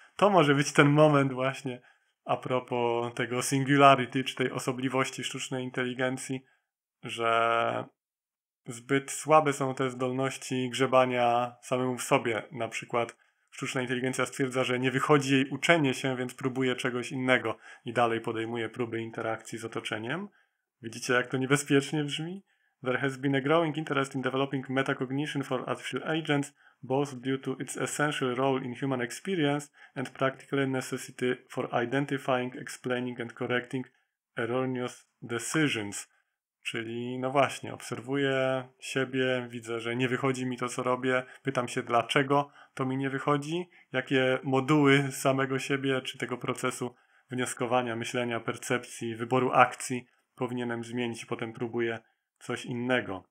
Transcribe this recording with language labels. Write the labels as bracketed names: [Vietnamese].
[Polish] To może być ten moment właśnie a propos tego singularity, czy tej osobliwości sztucznej inteligencji, że zbyt słabe są te zdolności grzebania samemu w sobie. Na przykład sztuczna inteligencja stwierdza, że nie wychodzi jej uczenie się, więc próbuje czegoś innego i dalej podejmuje próby interakcji z otoczeniem. Widzicie, jak to niebezpiecznie brzmi? [English] There has been a growing interest in developing metacognition for artificial agents, both due to its essential role in human experience and practical necessity for identifying, explaining and correcting erroneous decisions. [Polish] Czyli no właśnie, obserwuję siebie, widzę, że nie wychodzi mi to, co robię, pytam się, dlaczego to mi nie wychodzi, jakie moduły samego siebie czy tego procesu wnioskowania, myślenia, percepcji, wyboru akcji powinienem zmienić i potem próbuję coś innego.